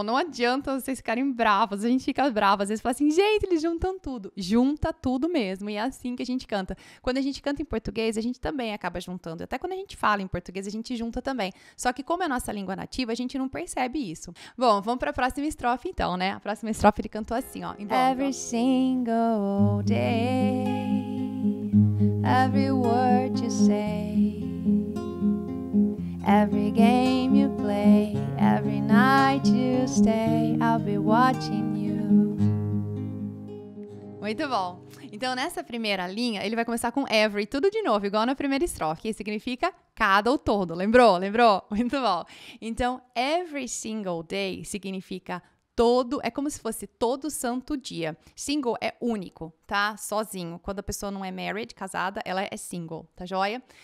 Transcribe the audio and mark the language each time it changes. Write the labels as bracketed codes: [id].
[pt] Não adianta vocês ficarem bravas, a gente fica brava. Às vezes fala assim, gente, eles juntam tudo. Junta tudo mesmo, e é assim que a gente canta. Quando a gente canta em português, a gente também acaba juntando. Até quando a gente fala em português, a gente junta também. Só que como é a nossa língua nativa, a gente não percebe isso. Bom, vamos para a próxima estrofe então, né? A próxima estrofe ele cantou assim, ó. [en] Every single day, every word you say, every game you play, Every night you stay, I'll be watching you. [pt] Muito bom. Então, nessa primeira linha, ele vai começar com every, tudo de novo, igual na primeira estrofe, que significa cada ou todo. Lembrou? Lembrou? Muito bom. Então, [en] every single day [pt] significa todo, é como se fosse todo santo dia. Single é único, tá? Sozinho. Quando a pessoa não é married, casada, ela é single, tá joia?